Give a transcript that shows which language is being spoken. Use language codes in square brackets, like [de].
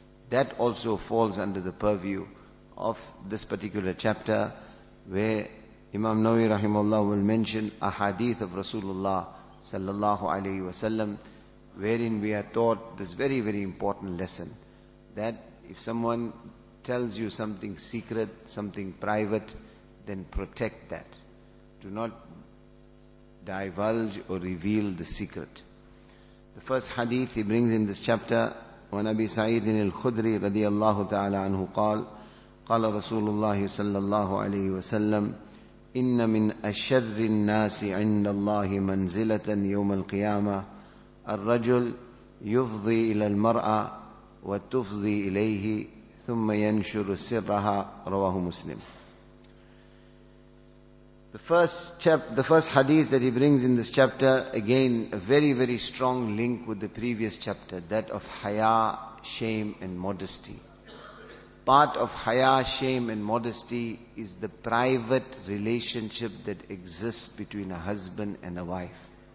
[en] That also falls under the purview of this particular chapter, where Imam Nawawi rahimahullah will mention a hadith of Rasulullah sallallahu alayhi wa sallam, wherein we are taught this very, very important lesson, that if someone tells you something secret, something private, then protect that. Do not divulge or reveal the secret. The first hadith he brings in this chapter, when [ar] Abi Sa'id al-Khudri radiyallahu ta'ala anhu qal, qala Rasulullah sallallahu alayhi wa sallam, إن من أشر الناس عند الله منزلة يوم القيامة الرجل يفضي إلى المرأة وتفضي إليه ثم ينشر سرها رواه مسلم. [en] The first hadith that he brings in this chapter, again a very strong link with the previous chapter, that of haya, shame and modesty. Part of haya, shame and modesty is the private relationship that exists between a husband and a wife.